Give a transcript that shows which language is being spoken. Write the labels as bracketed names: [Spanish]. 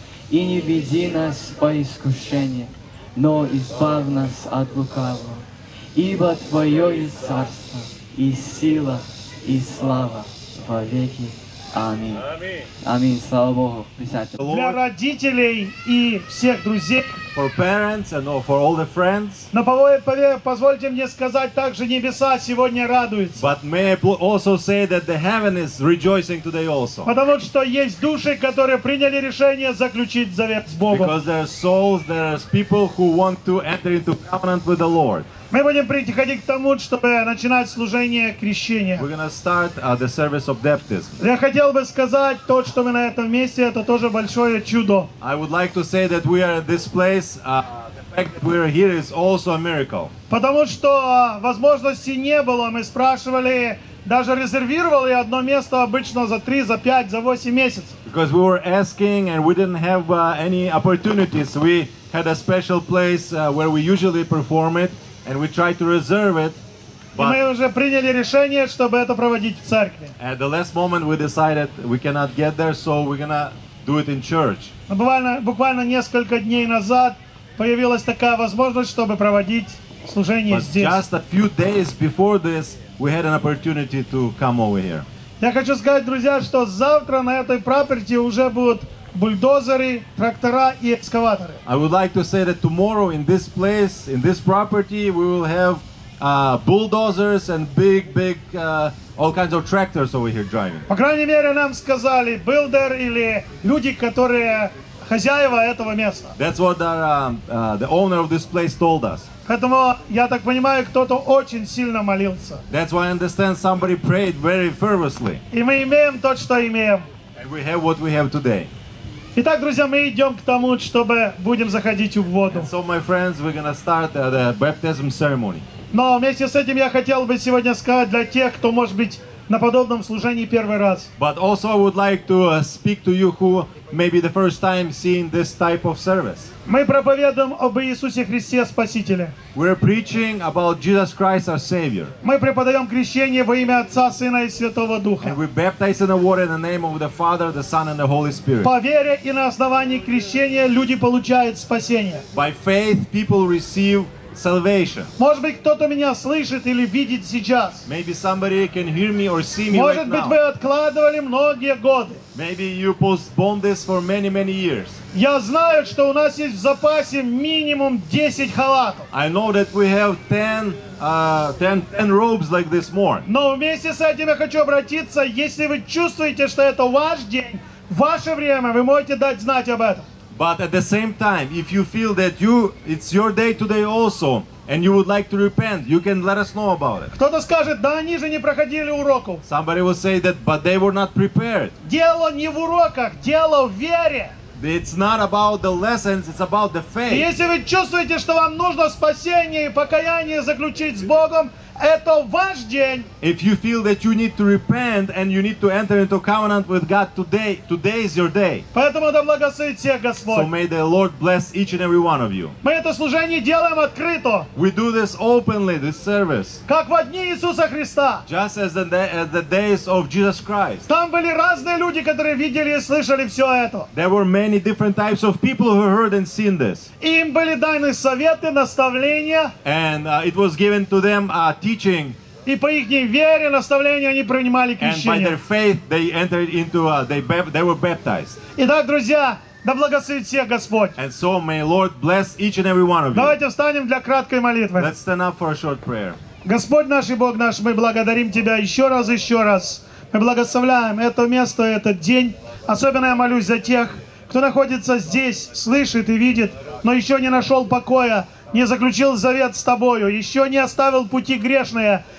[Russian] И не веди нас по искушению, но избавь нас от лукавого, ибо Твое есть царство, и сила, и слава во веки. Аминь. Аминь. Слава Богу. Присядьте. Для родителей и всех друзей. [English] For parents and for all the friends. [Russian] Но позвольте мне сказать, также небеса сегодня радуются. [English] But may I also say that the heaven is rejoicing today also. [Russian] Потому что есть души, которые приняли решение заключить завет с Богом. [English] Because there are souls, there are people who want to enter into covenant with the Lord. [Russian] Мы будем приходить к тому, чтобы начинать служение крещения. [English] We're gonna start the service of baptism. [Russian] Я хотел бы сказать, то, что мы на этом месте, это тоже большое чудо. [English] I would like to say that we are at this place. The fact that we are here is also a miracle. [Russian] Потому что возможности не было, мы спрашивали. Даже резервировал я одно место обычно за 3, за 5, за 8 месяцев. [English] Because we were asking and we didn't have any opportunities. We had a special place where we usually perform it. And we tried to reserve it, but [Russian] мы уже приняли решение, чтобы это проводить в церкви. [English] At the last moment we decided we cannot get there, so we're gonna do it in church. [Russian] Но буквально несколько дней назад появилась такая возможность, чтобы проводить служение [English] but [Russian] здесь. [English] Just a few days before this, we had an opportunity to come over here. [Russian] Я хочу сказать, друзья, что завтра на этой property уже будут бульдозеры, трактора и экскаваторы. [English] I would like to say that tomorrow in this place, in this property, we will have bulldozers and big all kinds of tractors over here driving. [Russian] По крайней мере, нам сказали builder или люди, которые хозяева этого места. [English] That's what the owner of this place told us. [Russian] Поэтому я так понимаю, кто-то очень сильно молился. [English] That's why I understand somebody prayed very fervently. [Russian] И мы имеем то, что имеем. [English] And we have what we have today. [Russian] Итак, друзья, мы идем к тому, чтобы будем заходить в воду. [English] So, my friends, we're gonna start the baptism ceremony. [Russian] Но вместе с этим я хотел бы сегодня сказать для тех, кто, может быть, на подобном служении первый раз. [English] But also I would like to speak to you who maybe the first time seeing this type of service. [Russian] Мы проповедуем об Иисусе Христе Спасителе. [English] We're preaching about Jesus Christ our Savior. [Russian] Мы преподаем крещение во имя Отца, Сына и Святого Духа. [English] And we baptize in the water in the name of the Father, the Son and the Holy Spirit. [Russian] По вере и на основании крещения люди получают спасение. [English] By faith people receive salvation. [Russian] Может быть, кто-то меня слышит или видит сейчас. [English] Maybe somebody can hear me or see me. [Russian] Может [English] right [Russian] быть, [English] now. [Russian] Вы откладывали многие годы. [English] Maybe you postponed this for many years. [Russian] Я знаю, что у нас есть в запасе минимум 10 халатов. [English] I know that we have 10 robes like this more. [Russian] Но вместе с этим я хочу обратиться, если вы чувствуете, что это ваш день, ваше время, вы можете дать знать об этом. [English] But at the same time, if you feel that it's your day today also, and you would like to repent, you can let us know about it. [Russian] Кто-то скажет, да они же не проходили уроков. [English] Somebody will say that, but they were not prepared. [Russian] Дело не в уроках, дело в вере. [English] It's not about the lessons, it's about the faith. [Russian] И если вы чувствуете, что вам нужно спасение и покаяние заключить с Богом, это ваш день. [English] If you feel that you need to repent and you need to enter into covenant with God today, today is your day. [Russian] Поэтому да благословит всех Господь. [English] So may the Lord bless each and every one of you. [Russian] Мы это служение делаем открыто. [English] We do this openly, this service. [Russian] Как во дни Иисуса Христа. [English] Just as in the days of Jesus Christ. [Russian] Там были разные люди, которые видели и слышали все это. [English] There were many different types of people who heard and seen this. [Russian] Им были даны советы, наставления. [English] And it was given to them teaching. [Russian] И по их вере, наставлению они принимали крещение. [English] And by their faith they entered into they were baptized. [Russian] Итак, друзья, да благословит всех Господь. [English] And so may Lord bless each and every one of you. [Russian] Давайте встанем для краткой молитвы. [English] Let's stand up for a short prayer. [Russian] Господь наш и Бог наш, мы благодарим Тебя еще раз и еще раз. Мы благословляем это место, этот день. Особенно я молюсь за тех, кто находится здесь, слышит и видит, но еще не нашел покоя, не заключил завет с Тобою, еще не оставил пути грешные.